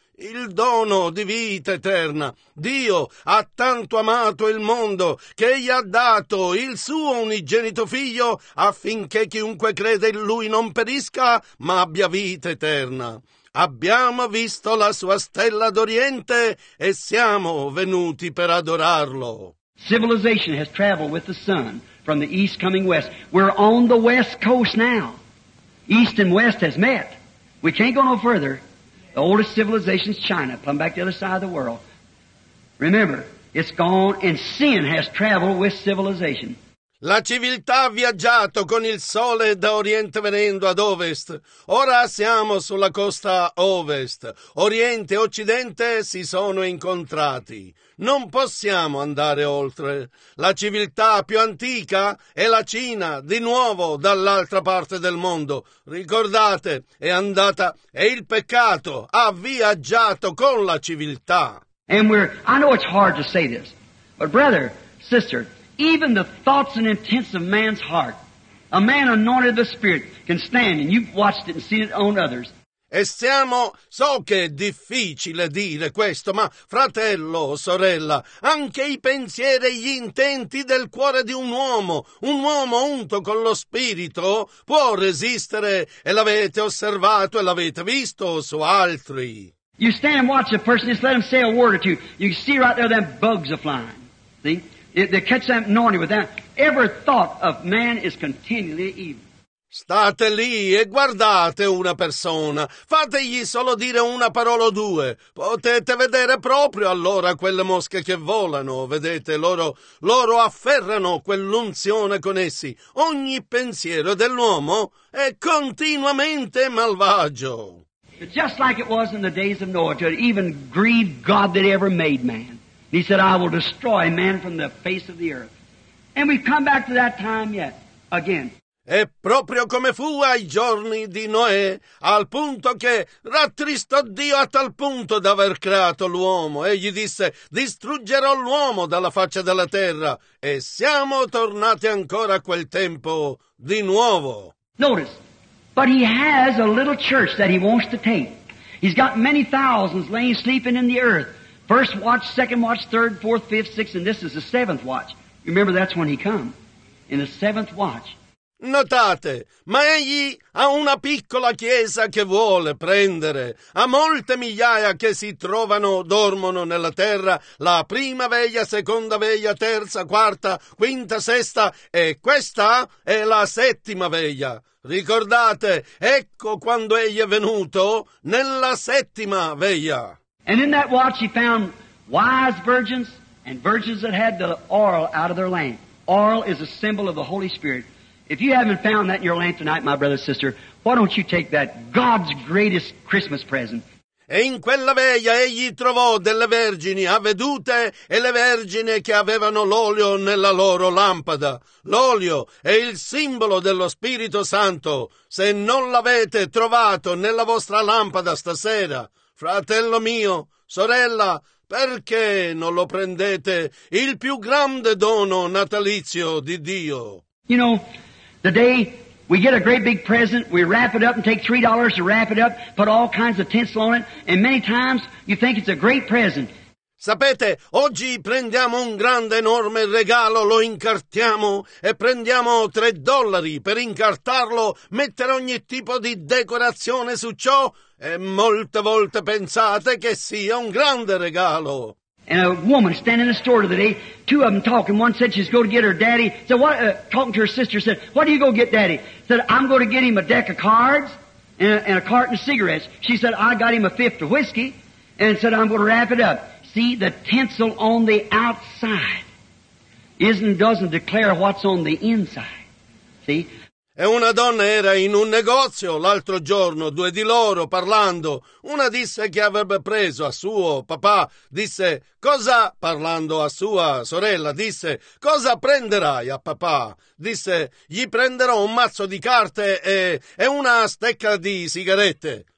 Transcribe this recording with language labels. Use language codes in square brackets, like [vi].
[it] Il dono di vita eterna. Dio ha tanto amato il mondo che gli ha dato il suo unigenito figlio affinché chiunque crede in lui non perisca ma abbia vita eterna. Abbiamo visto la sua stella d'oriente e siamo venuti per adorarlo. [en] Civilization has traveled with the sun from the east coming west. We're on the west coast now. East and west has met. We can't go no further. The oldest civilization is China, plumb back to the other side of the world. Remember, it's gone, and sin has traveled with civilization. [it] La civiltà ha viaggiato con il sole da oriente venendo ad ovest. Ora siamo sulla costa ovest. Oriente e occidente si sono incontrati. Non possiamo andare oltre. La civiltà più antica è la Cina, di nuovo dall'altra parte del mondo. Ricordate, è andata e il peccato ha viaggiato con la civiltà. [en] And we're, I know it's hard to say this, but brother, sister, even the thoughts and intents of man's heart, a man anointed the Spirit can stand, and you've watched it and seen it on others. [it] E siamo, so che è difficile dire questo, ma fratello, sorella, anche i pensieri e gli intenti del cuore di un uomo unto con lo Spirito, può resistere, e l'avete osservato e l'avete visto su altri. [en] You stand and watch a person, just let him say a word or two. You can see right there them bugs are flying. See? They catch that anointing with that. Every thought of man is continually evil. [it] State lì e guardate una persona. Fategli solo dire una parola o due. Potete vedere proprio allora quelle mosche che volano. Vedete, loro afferrano quell'unzione con essi. Ogni pensiero dell'uomo è continuamente malvagio. [en] Just like it was in the days of Noah, to even grieve God that ever made man. He said, I will destroy man from the face of the earth. And we've come back to that time yet, again. [it] E proprio come fu ai giorni di Noè, al punto che rattristò Dio a tal punto da aver creato l'uomo, e gli disse: distruggerò l'uomo dalla faccia della terra. E siamo tornati ancora a quel tempo di nuovo. [en] Notice, but he has a little church that he wants to take. He's got many thousands laying sleeping in the earth. First watch, second watch, third, fourth, fifth, sixth, and this is the seventh watch. Remember, that's when he come, in the seventh watch. [it] Notate, ma egli ha una piccola chiesa che vuole prendere, ha molte migliaia che si trovano, dormono nella terra, la prima veglia, seconda veglia, terza, quarta, quinta, sesta, e questa è la settima veglia. Ricordate, ecco quando egli è venuto, nella settima veglia. [en] And in that watch he found wise virgins and virgins that had the oil out of their lamp. Oil is a symbol of the Holy Spirit. If you haven't found that in your lamp tonight, my brother, sister, why don't you take that God's greatest Christmas present? [it] E in quella veglia egli trovò delle vergini avvedute e le vergini che avevano l'olio nella loro lampada. L'olio è il simbolo dello Spirito Santo. Se non l'avete trovato nella vostra lampada stasera, fratello mio, sorella, perché non lo prendete, il più grande dono natalizio di Dio? [en] You know, the day we get a great big present, we wrap it up and take $3 to wrap it up, put all kinds of tinsel on it, and many times you think it's a great present. [it] Sapete, oggi prendiamo un grande, enorme regalo, lo incartiamo e prendiamo $3 per incartarlo, mettere ogni tipo di decorazione su ciò, e molte volte pensate che sia un grande regalo. [en] And a woman standing in the store today, two of them talking. One said she's going to get her daddy. Said what? Talking to her sister, said, "What are you going to get, daddy?" Said, "I'm going to get him a deck of cards and a carton of cigarettes." She said, "I got him a fifth of whiskey," and said, "I'm going to wrap it up." See, the tinsel on the outside doesn't declare what's on the inside. See. [it] E una donna era in un negozio l'altro giorno, due di loro parlando. Una disse che avrebbe preso a suo papà, disse: "Cosa?" Parlando a sua sorella, disse: "Cosa prenderai a papà?" Disse: "Gli prenderò un mazzo di carte e una stecca di sigarette."